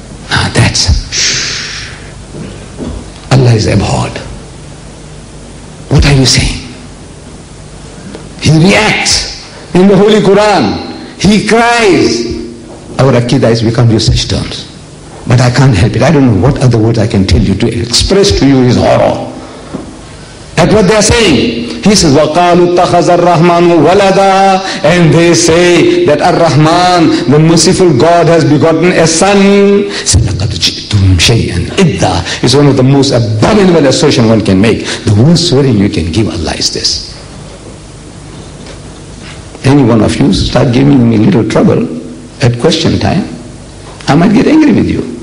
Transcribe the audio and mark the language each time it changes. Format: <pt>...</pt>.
<en>Now that's Allah is abhorred. What are you saying? He reacts in the Holy Quran. He cries. Our akidah is, we can't use such terms. But I can't help it. I don't know what other words I can tell you to express to you his horror. At what they are saying. He says,</en> <ar>وَقَالُوا اتَّخَذَ الرَّحْمَنُ وَلَدًا.</ar> <en>And they say that Ar-Rahman, the merciful God, has begotten a son.</en> <ar>سَلَقَدْ جِئْتُمْ شَيْئًا إِدَّا.</ar> <en>It's one of the most abominable assertions one can make. The worst swearing you can give Allah is this. Any one of you start giving me a little trouble at question time, I might get angry with you.</en>